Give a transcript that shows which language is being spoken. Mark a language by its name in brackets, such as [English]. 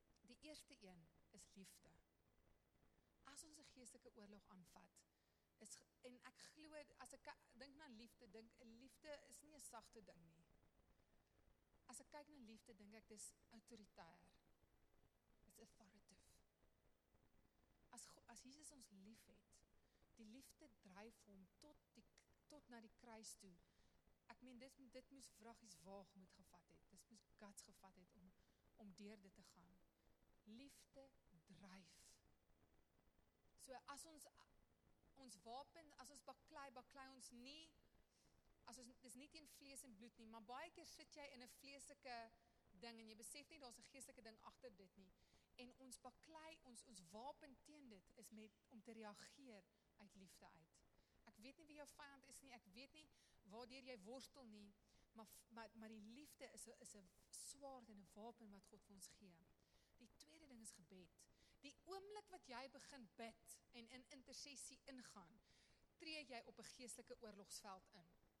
[Afrikaans] Die eerste een is liefde. As ons 'n geestelike oorlog aanvat, en ek glo, as ek dink na liefde, dink, liefde is nie 'n sagte ding nie. As ek kyk na liefde, dink ek, dis autoritair. [English] It's authoritative. [Afrikaans] As Jesus ons lief het, die liefde dryf hom tot na die kruis toe. Ek meen, dit moes vragies waag moet gevat het. Dit moes guts gevat het om deur dit te gaan. Liefde dryf. So as ons wapen, as ons baklei ons nie, dis nie teen vlees en bloed nie, maar baie keer sit jy in 'n vleeslike ding en jy besef nie, daar's 'n geestelike ding agter dit nie. En ons baklei, ons wapen teen dit is met om te reageer uit liefde uit. Ek weet nie wie jou vyand is nie, ek weet nie waardeur jy worstel nie, maar die liefde is 'n swaard en 'n wapen wat God vir ons gee. Die tweede ding is gebed. Die oomblik wat jy begin bid en in intersessie ingaan, tree jy op 'n geestelike oorlogsveld in.